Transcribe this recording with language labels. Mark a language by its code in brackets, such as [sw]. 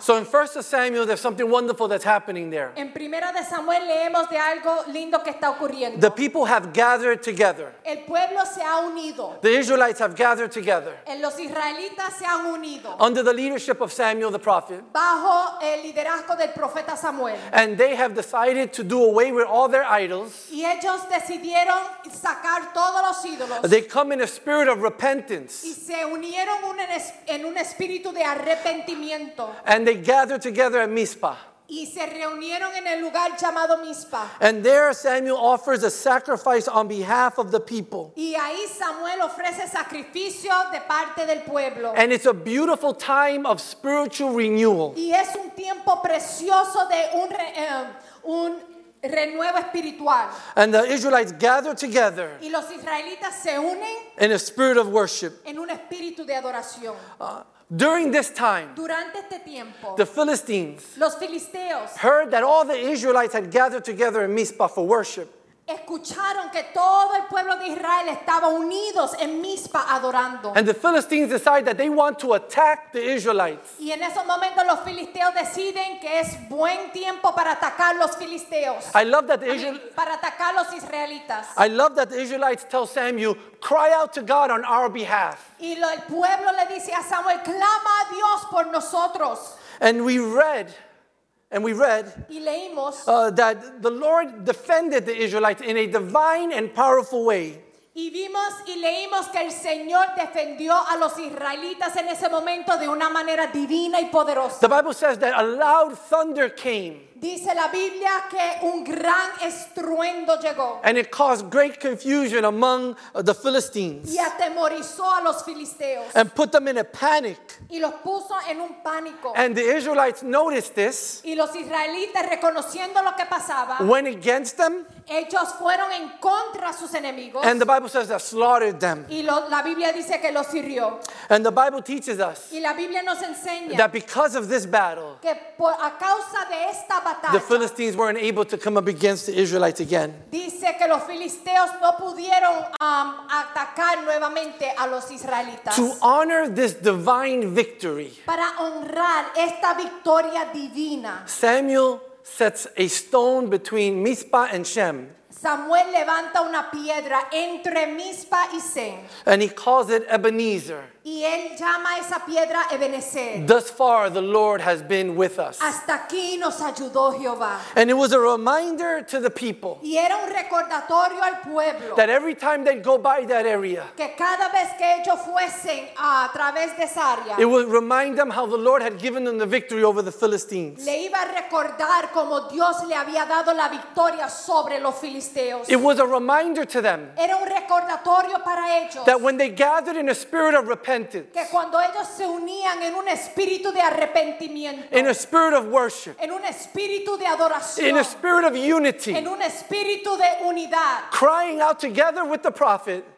[en] So in 1 Samuel, there's something wonderful that's happening there. [es] En Primera de Samuel leemos de algo lindo que está ocurriendo. [en] The people have gathered together. [es] El pueblo se ha unido. [en] The Israelites have gathered together. [es] En los israelitas se han unido. [en] Under the leadership of Samuel the prophet. [es] Bajo el liderazgo del profeta Samuel. [en] And they have decided to do away with all their idols. [es] Y ellos decidieron sacar todos los ídolos. [en] They come in a spirit of repentance. [es] Y se unieron en un espíritu de arrepentimiento. [en] And they gathered together at Mizpah. [es] Y se reunieron en el lugar llamado Mizpah. [en] And there Samuel offers a sacrifice on behalf of the people. [es] Y ahí Samuel ofrece sacrificio de parte del pueblo. [en] And it's a beautiful time of spiritual renewal. [es] Y es un tiempo precioso de un renuevo espiritual. [en] And the Israelites gather together. [es] Y los israelitas se unen. [en] In a spirit of worship. [es] En un espíritu de adoración. [en] During this time, [es] durante este tiempo, [en] the Philistines, [es] los filisteos, [en] heard that all the Israelites had gathered together in Mizpah for worship. [es] Escucharon que todo el pueblo de Israel estaba unidos en Mizpah adorando. [en] And the Philistines decide that they want to attack the Israelites. [es] Y en esos momentos los filisteos deciden que es buen tiempo para atacar los filisteos. [en] I love that the [es] para atacar los israelitas. [en] I love that the Israelites tell Samuel, cry out to God on our behalf. [es] Y el pueblo le dice a Samuel, clama a Dios por nosotros. [en] And we read [es] y leímos, [en] that the Lord defended the Israelites in a divine and powerful way. [es] Y vimos y leímos que el Señor defendió a los israelitas en ese momento de una manera divina y poderosa. [en] The Bible says that a loud thunder came. [es] Dice la Biblia que un gran estruendo llegó. [en] And it caused great confusion among the Philistines. [es] Y atemorizó a los filisteos. [en] And put them in a panic. [es] Y los puso en un pánico. [en] And the Israelites noticed this. [es] Y los israelitas, reconociendo lo que pasaba, [en] went against them. [es] Ellos fueron en contra de sus enemigos. [en] And the Bible says that slaughtered them. [es] Y la Biblia dice que los hirió. [en] And the Bible teaches us. [es] Y la Biblia nos enseña [en] that because of this battle, [es] que por a causa de esta batalla, [en] the Philistines weren't able to come up against the Israelites again. [es] Dice que los filisteos no pudieron atacar nuevamente a los israelitas. [en] To honor this divine victory, [es] para honrar esta victoria divina, [en] Samuel sets a stone between Mizpah and Shem. [es] Samuel levanta una piedra entre Mizpah y Shem. [en] And he calls it Ebenezer. [es] Y él llama esa piedra Ebenezer. [en] Thus far, the Lord has been with us. [es] Hasta aquí nos ayudó Jehová. [en] And it was a reminder to the people. [es] Y era un recordatorio al pueblo. [en] That every time they'd go by that area. [es] Que cada vez que ellos fuesen a través de esa área. [en] It would remind them how the Lord had given them the victory over the Philistines. [es] Le iba a recordar cómo Dios le había dado la victoria sobre los filisteos. [en] It was a reminder to them. [es] Era un recordatorio para ellos. [en] That when they gathered in a spirit of [es] que cuando ellos se unían en un espíritu de arrepentimiento, [en] in a spirit of worship, [es] en un espíritu de adoración, [en] in a spirit of unity, [es] en un espíritu de unidad, [en] crying out together with the prophet,